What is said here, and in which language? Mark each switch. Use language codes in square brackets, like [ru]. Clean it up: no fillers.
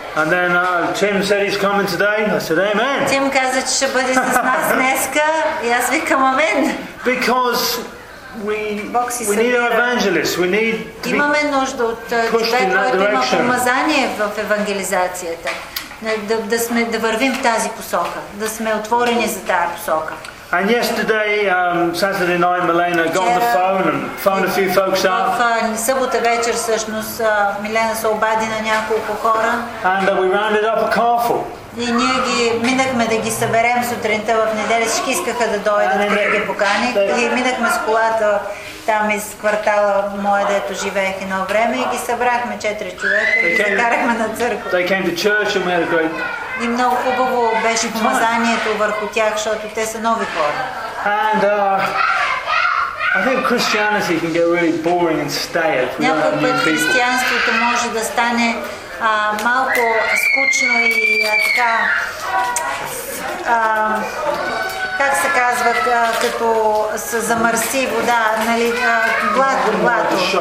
[en] And then Tim said he's coming today. I said amen. [bg] Тим каза, че ще бъде с нас днеска. И аз викам амин. [en] Because We need our evangelists. We need to be pushed in that direction. [bg] Има помазание в евангелизацията. Да сме, да вървим в тази посока. Да сме отворени за тази посока. [en] And yesterday, Saturday night, Milena got on the phone and phoned a few folks up. [bg] Събота вечер всъщност Милена се обади на няколко хора. [en] And we rounded up a car full. [bg] И ние ги минахме да ги съберем сутринта в неделя, всички искаха да дойдат да ги покани. И минахме с колата там из квартала моя, дето живеех едно време, и ги събрахме 4 човека и ги закарахме на църква. [en] They came to church and we had a great. [bg] И много хубаво беше помазанието върху тях, защото те са нови хора. [en] And I think Christianity can get really boring and stale. [bg] Някой път християнството може да стане малко скучно и така. Как се казва, като се замърси вода, нали, блато.